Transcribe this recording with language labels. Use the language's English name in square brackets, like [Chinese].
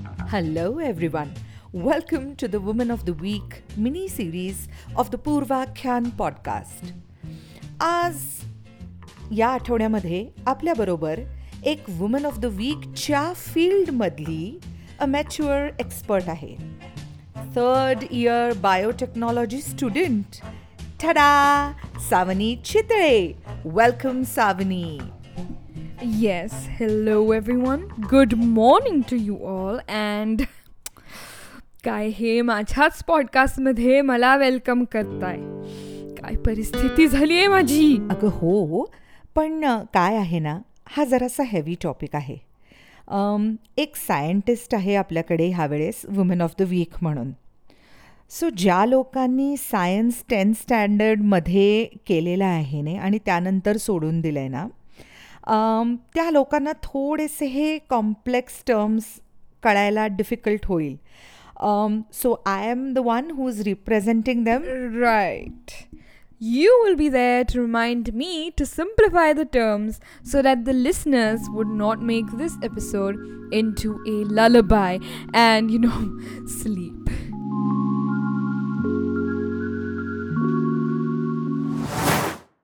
[English] Hello everyone, welcome to the Woman of the Week mini-series of the Purvakhyan podcast. [Marathi] Aaj या आठवड्यामध्ये आपल्याबरोबर एक woman of the वीकच्या फील्डमधली amateur expert आहे, third year biotechnology student. ठडा, Savani Chitale. Welcome Savani. [English] Yes, hello everyone, good morning to you all. [Marathi] And काय हे माझ्याच पॉडकास्टमध्ये मला वेलकम करताय, काय परिस्थिती झाली आहे माझी. अगं हो, पण काय आहे ना, हा जरासा हेवी टॉपिक आहे. एक सायंटिस्ट आहे आपल्याकडे ह्यावेळेस वुमन ऑफ द वीक म्हणून. सो ज्या लोकांनी सायन्स 10th स्टँडर्डमध्ये केलेला आहे ने आणि त्यानंतर सोडून दिलं आहे ना, त्या लोकांना थोडेसे हे कॉम्प्लेक्स टर्म्स कळायला डिफिकल्ट होईल. [English] So I am the one who is representing them. Right, you will be there to remind me to simplify the terms so that the listeners would not make this episode into a lullaby and, you know, sleep.